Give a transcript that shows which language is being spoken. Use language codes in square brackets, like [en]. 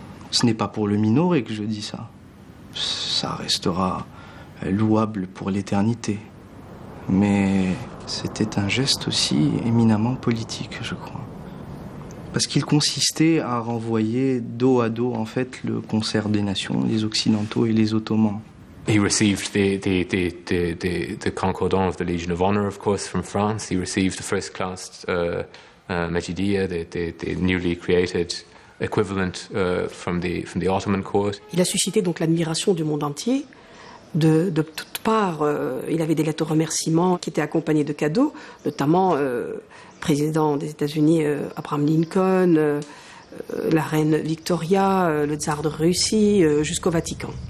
[fr] Ce n'est pas pour le minoret que je dis ça. Ça restera louable pour l'éternité. Mais c'était un geste aussi éminemment politique, je crois. Parce qu'il consistait à renvoyer dos à dos, en fait, le concert des nations, les Occidentaux et les Ottomans. [en] He received the concordant of the Legion of Honor, of course, from France. He received the first class Medjidia, the newly created equivalent from the Ottoman court. [fr] Il a suscité donc l'admiration du monde entier. De toutes parts, il avait des lettres de remerciement qui étaient accompagnées de cadeaux, notamment président des États-Unis Abraham Lincoln, la reine Victoria, le tsar de Russie, jusqu'au Vatican.